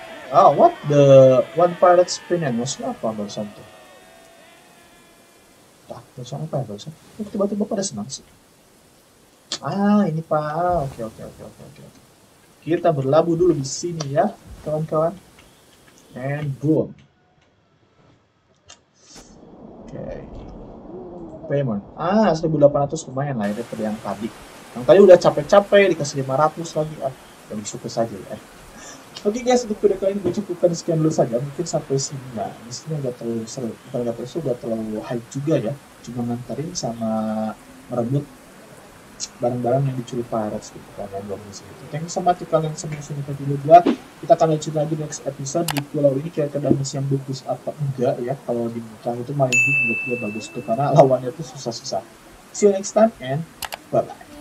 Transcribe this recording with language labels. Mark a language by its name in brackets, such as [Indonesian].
[English] Oh, what the One Pilot's Opinion? [Indonesian] Maksudnya apa barusan tuh? Tak, barusan apa ya barusan? Oh, tiba-tiba pada senang sih. Ah, ini Pak. Oke. Kita berlabuh dulu di sini ya, kawan-kawan. [English] And boom. Okay. Payment. [Indonesian] Ah, 1.800 lumayan lah ya, daripada yang tadi. Yang tadi udah capek-capek, dikasih 500 lagi. Ah, lebih suka saja ya. Oke guys, untuk video kali ini gue cukupkan sekian dulu saja. Mungkin sampai sini ya. Di sini agak terlalu seru. Kalau gak terlalu seru, gak terlalu hype juga ya. Cuma nganterin sama merebut barang-barang yang dicuri pirates gitu kan. Dan belum bisa gitu. [English] Thank you so much [Indonesian] kalian semua sini ke video gue. Kita akan lanjut lagi [English] next episode [Indonesian] di pulau ini. Kira-kira ada misi yang bagus apa enggak ya. Kalau di muka itu main game menurut gue bagus tuh. Karena lawannya tuh susah-susah. [English] See you next time and bye-bye.